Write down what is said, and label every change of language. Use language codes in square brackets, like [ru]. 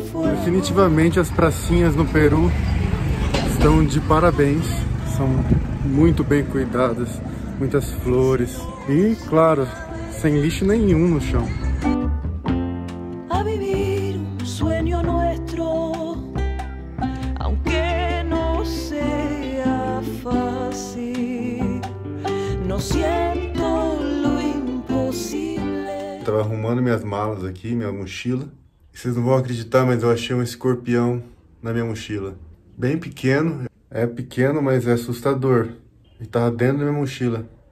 [pt] Definitivamente as pracinhas no Peru estão de parabéns, são muito bem cuidadas, muitas flores e, claro, sem lixo nenhum no chão. [es] A vivir um sueño nuestro, aunque no sea fácil, no siento lo imposible. [pt] Estava arrumando minhas malas aqui, minha mochila. Vocês não vão acreditar, mas eu achei um escorpião na minha mochila. Bem pequeno. É pequeno, mas é assustador. E tava dentro da minha mochila.